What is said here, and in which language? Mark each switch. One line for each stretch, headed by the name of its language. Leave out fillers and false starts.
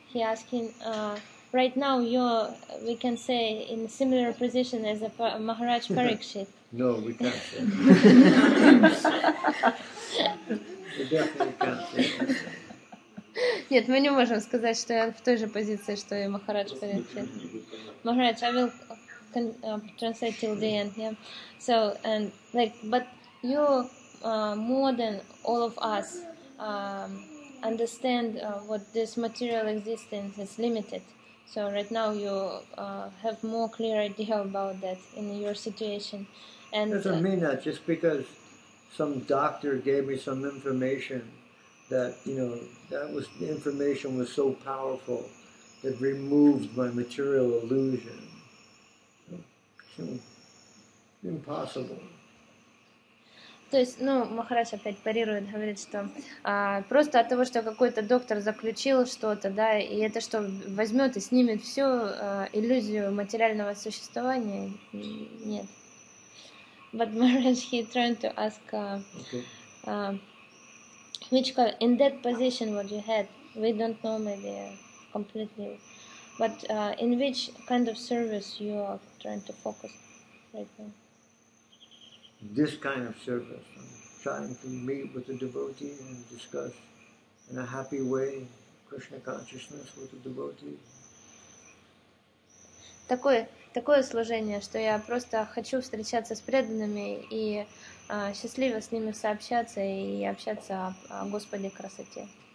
English: He asking, right now you, we can say, in a similar position as a Maharaj Parikshit. No, we can't say. We definitely can't say.
Russian: Нет, мы не можем сказать, что я в той же позиции, что и Махарадж Парикшит.
English: Махарадж, I will translate till the end. Yeah. So and like, but you more than all of us understand what this material existence is limited. So right now you have more clear idea about that in your situation. And that doesn't mean that just because some doctor gave me some information. That, you know, that was, the information was so powerful that removed my material illusion. Impossible.
Russian: То есть, ну, Махарадж опять парирует, говорит, что просто от того, что какой-то доктор заключил что-то, да, и это что, возьмет и снимет всю иллюзию материального существования? Нет.
English: But Maharaj, he trying to ask... Vichka, in that position what you had, we don't know maybe completely, but in which kind of service you are trying to focus right now? This kind of service, I'm trying to meet with the devotee and discuss in a happy way Krishna consciousness with the devotee.
Russian: Такое служение, что я просто хочу встречаться с преданными и счастливо с ними сообщаться и общаться о Господе красоте.